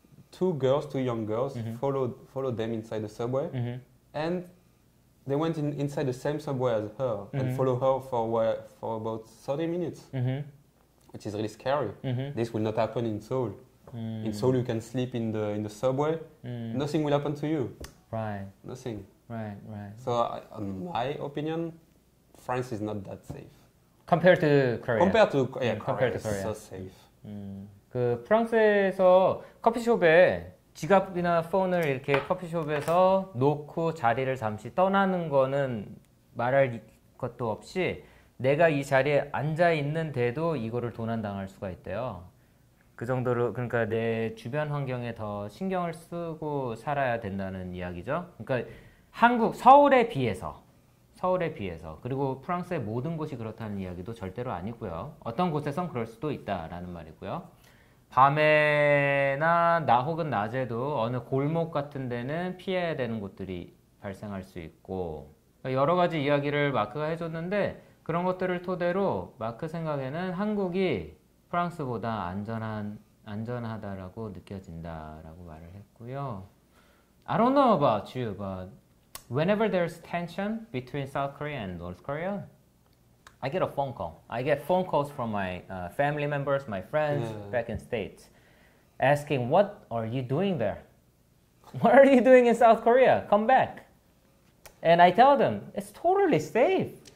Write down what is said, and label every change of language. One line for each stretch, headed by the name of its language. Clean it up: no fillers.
English: Two young girls followed them inside the subway, and they went inside the same subway as her and follow her for about 30 minutes, which is really scary. This will not happen in Seoul. In Seoul, you can sleep in the subway. Nothing will happen to you. Right. Nothing. Right. So, in my opinion, France is not that safe. Compared to Korea. Compared to Korea. It's so safe.
Korean: 그 프랑스에서 커피숍에 지갑이나 폰을 이렇게 커피숍에서 놓고 자리를 잠시 떠나는 거는 말할 것도 없이 내가 이 자리에 앉아 있는데도 이거를 도난당할 수가 있대요. 그 정도로 그러니까 내 주변 환경에 더 신경을 쓰고 살아야 된다는 이야기죠. 그러니까 한국 서울에 비해서 그리고 프랑스의 모든 곳이 그렇다는 이야기도 절대로 아니고요. 어떤 곳에선 그럴 수도 있다라는 말이고요. 밤에나 나 혹은 낮에도 어느 골목 같은 데는 피해야 되는 곳들이 발생할 수 있고 여러 가지 이야기를 마크가 해줬는데 그런 것들을 토대로 마크 생각에는 한국이 프랑스보다 안전하다라고 느껴진다라고 말을 했고요.
English: I don't know about you, but whenever there's tension between South Korea and North Korea, I get a phone call. I get phone calls from my family members, my friends back in States, asking, what are you doing there? What are you doing in South Korea? Come back. And I tell them, it's totally safe.